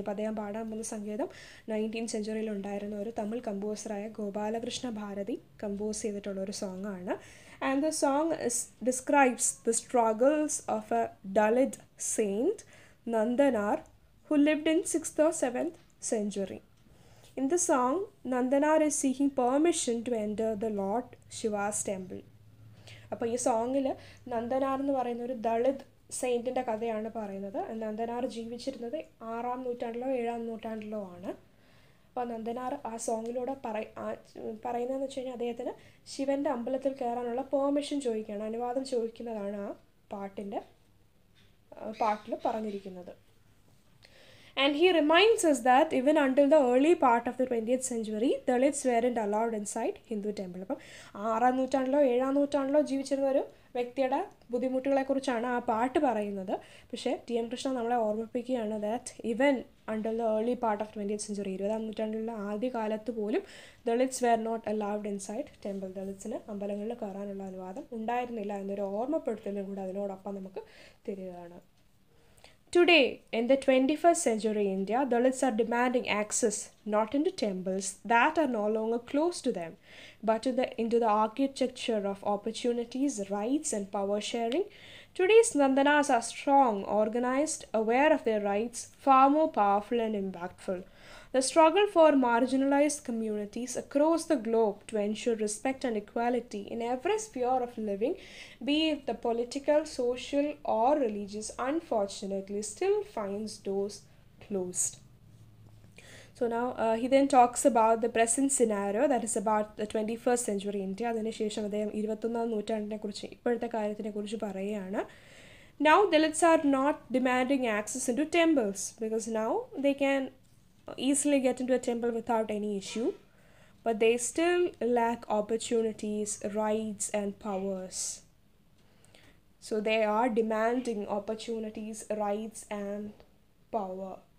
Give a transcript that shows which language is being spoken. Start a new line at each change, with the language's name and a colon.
Malayalam: അപ്പോൾ അദ്ദേഹം പാടാൻ പോകുന്ന സംഗീതം 19th സെഞ്ചുറിയിൽ ഉണ്ടായിരുന്ന ഒരു തമിഴ് കമ്പോസറായ ഗോപാലകൃഷ്ണ ഭാരതി കമ്പോസ് ചെയ്തിട്ടുള്ള ഒരു സോങ് ആണ്.
English: And the song describes the struggles of a Dalit saint Nandanar who lived in 6th or 7th century. In the song, Nandanar is seeking permission to enter the Lord Shiva's temple.
Malayalam: അപ്പോൾ ഈ സോങ്ങിൽ നന്ദനാർ എന്ന് പറയുന്ന ഒരു ദളിത് സെയിൻറ്റിൻ്റെ കഥയാണ് പറയുന്നത്. നന്ദനാർ ജീവിച്ചിരുന്നത് 6-ാം നൂറ്റാണ്ടിലോ 7-ാം നൂറ്റാണ്ടിലോ ആണ്. അപ്പോൾ നന്ദനാർ ആ സോങ്ങിലൂടെ പറയുന്നതെന്ന് വെച്ച് കഴിഞ്ഞാൽ അദ്ദേഹത്തിന് ശിവൻ്റെ അമ്പലത്തിൽ കയറാനുള്ള പെർമിഷൻ ചോദിക്കുകയാണ്, അനുവാദം ചോദിക്കുന്നതാണ് ആ പാട്ടിൻ്റെ പാട്ടിൽ പറഞ്ഞിരിക്കുന്നത്.
English: And he reminds us that even until the early part of the 20th century, Dalits weren't allowed inside Hindu temple.
Malayalam: അപ്പം 6-ാം നൂറ്റാണ്ടിലോ 7-ാം നൂറ്റാണ്ടിലോ ജീവിച്ചിരുന്ന ഒരു വ്യക്തിയുടെ ബുദ്ധിമുട്ടുകളെക്കുറിച്ചാണ് ആ പാട്ട് പറയുന്നത്. പക്ഷേ ടി എം കൃഷ്ണ നമ്മളെ ഓർമ്മിപ്പിക്കുകയാണ്
English: that even under the early part of 20th century
Malayalam: 20-ാം നൂറ്റാണ്ടിലുള്ള ആദ്യകാലത്ത് പോലും
English: Dalits were not allowed inside temple,
Malayalam: ദളിറ്റ്സിന് അമ്പലങ്ങളിൽ കയറാനുള്ള അനുവാദം ഉണ്ടായിരുന്നില്ല എന്നൊരു ഓർമ്മപ്പെടുത്തലും കൂടെ അതിനോടൊപ്പം നമുക്ക് തരികയാണ്.
English: Today, in the 21st century India, Dalits are demanding access not into temples that are no longer closed to them, but into the architecture of opportunities, rights and power sharing. Today's Nandanas are strong, organized, aware of their rights, far more powerful and impactful. The struggle for marginalized communities across the globe to ensure respect and equality in every sphere of living, be it the political, social or religious, unfortunately still finds doors closed. So now he then talks about the present scenario, that is about the 21st century India.
Malayalam: അതിനുശേഷം അദ്ദേഹം 21-ാം നൂറ്റാണ്ടിനെ കുറിച്ച് ഇപ്പോഴത്തെ കാര്യത്തിനെ കുറിച്ച് പറയുകയാണ്.
English: Now Dalits are not demanding access into temples because now they can easily get into a temple without any issue, but they still lack opportunities, rights and powers. So they are demanding opportunities, rights and power.